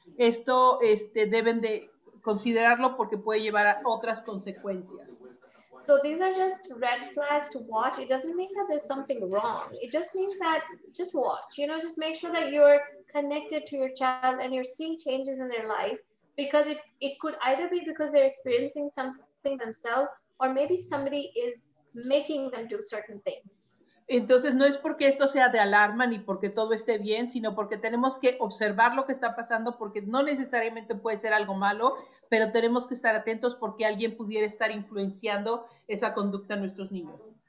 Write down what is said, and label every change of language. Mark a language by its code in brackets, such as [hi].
[es] Esto deben de considerarlo porque puede llevar a otras consecuencias. [en] So these are just red flags to watch. It doesn't mean that there's something wrong. It just means that just watch, you know, just make sure that you're connected to your child and you're seeing changes in their life. Because it could either be because they're experiencing something themselves or maybe somebody is making them do certain things. [es] Entonces, no es porque esto sea de alarma ni porque todo esté bien, sino porque tenemos que observar lo que está pasando porque no necesariamente puede ser algo malo, pero tenemos que estar atentos porque alguien pudiera estar influenciando esa conducta en nuestros niños.